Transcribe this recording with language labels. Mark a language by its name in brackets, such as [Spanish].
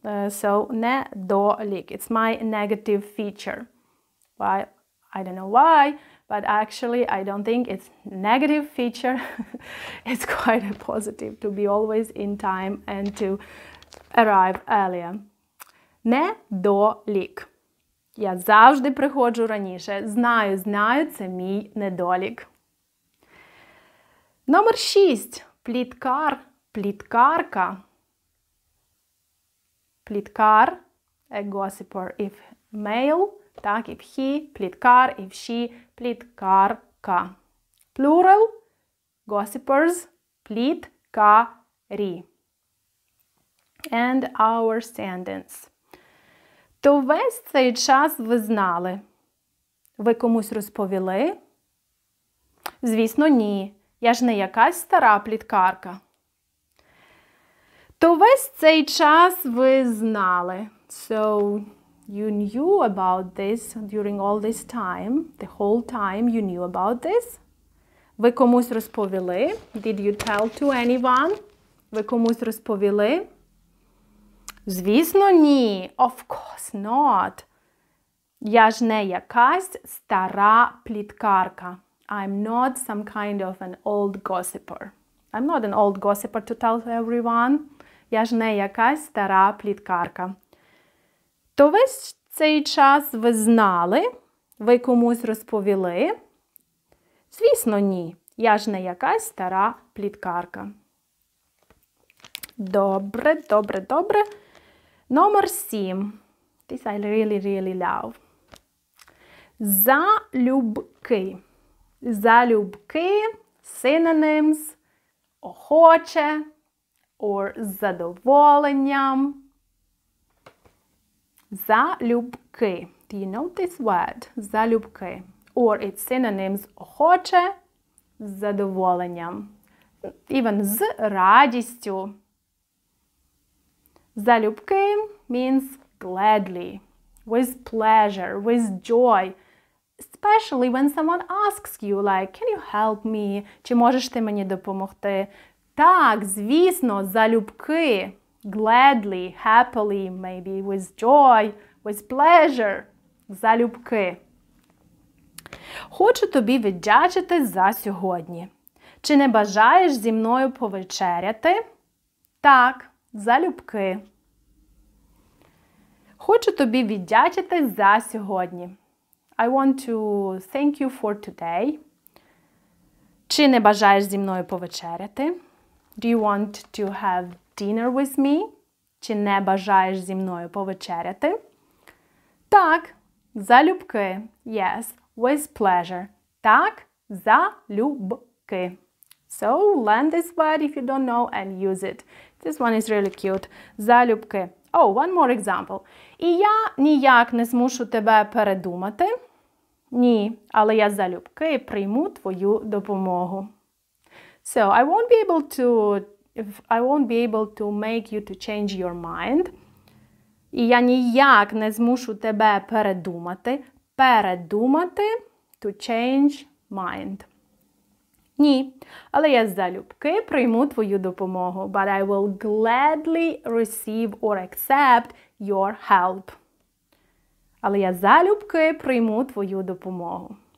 [English] So, недолік. It's my negative feature. Why? I don't know why. But actually, I don't think it's negative feature. It's quite a positive to be always in time and to arrive earlier. [Ukrainian] Недолік. Я завжди приходжу раніше. Знаю, це мій недолік. Номер 6. Пліткар, пліткарка. [English] Пліткар, a gossiper, if male. Так, if he, пліткар, if she, пліткарка. Plural, gossipers, пліткарі. And our sentence. [Ukrainian] То весь цей час ви знали? Ви комусь розповіли? Звісно, ні. Я ж не якась стара пліткарка. То весь цей час ви знали? [English] So, you knew about this during all this time, the whole time you knew about this? [Ukrainian] Ви комусь розповіли? [English] Did you tell to anyone? [Ukrainian] Ви комусь розповіли? Звісно, ні. [English] Of course not. [Ukrainian] Я ж не якась стара пліткарка. [English] I'm not some kind of an old gossiper. I'm not an old gossiper to tell to everyone. [Ukrainian] Я ж не якась стара пліткарка. То весь цей час ви знали? Ви комусь розповіли? Звісно, ні. Я ж не якась стара пліткарка. Добре, добре, добре. Номер 7. [English] This I really, really love. Залюбки. [Ukrainian] Залюбки, synonyms, охоче, or з задоволенням. [English] Залюбки. Do you know this word? Залюбки. Or its synonyms охоче, [Ukrainian] з задоволенням. Even з радістю. [English] Залюбки means gladly, with pleasure, with joy. Especially when someone asks you, like, can you help me? [Ukrainian] Чи можеш ти мені допомогти? Так, звісно, залюбки. [English] Gladly, happily, maybe with joy, with pleasure. Залюбки. [Ukrainian] Хочу тобі віддячити за сьогодні. Чи не бажаєш зі мною повечеряти? Так, залюбки. Хочу тобі віддячити за сьогодні. [English] I want to thank you for today. [Ukrainian] Чи не бажаєш зі мною повечеряти? [English] Do you want to have dinner with me? [Ukrainian] Чи не бажаєш зі мною повечеряти? Так, залюбки. [English] Yes, with pleasure. [Ukrainian] Так, залюбки. [English] So, learn this word if you don't know and use it. This one is really cute. [Ukrainian] Залюбки. [English] Oh, one more example. [Ukrainian] І я ніяк не змушу тебе передумати. Ні, але я залюбки прийму твою допомогу. [English] So, I won't be able to make you to change your mind. [Ukrainian] І я ніяк не змушу тебе передумати. Передумати [English] to change mind. [Ukrainian] Ні, але я залюбки прийму твою допомогу. [English] But I will gladly receive or accept your help. [Ukrainian] Але я залюбки прийму твою допомогу.